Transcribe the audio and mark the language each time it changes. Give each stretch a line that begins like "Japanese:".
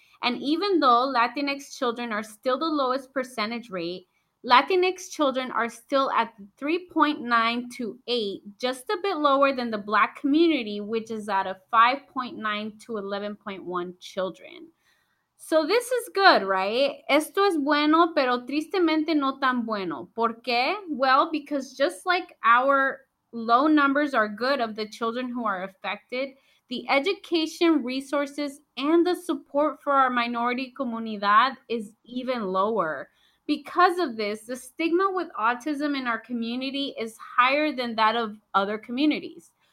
English: And even though Latinx children are still the lowest percentage rate, Latinx children are still at 3.9 to 8, just a bit lower than the Black community, which is at a 5.9 to 11.1 children. So this is good, right?
Spanish: Esto es bueno, pero tristemente no tan bueno. ¿Por qué?
English: Well, because just like our low numbers are good of the children who are affected, the education, resources, and the support for our minority comunidad is even lower. Because of this, the stigma with autism in our community is higher than that of other communities.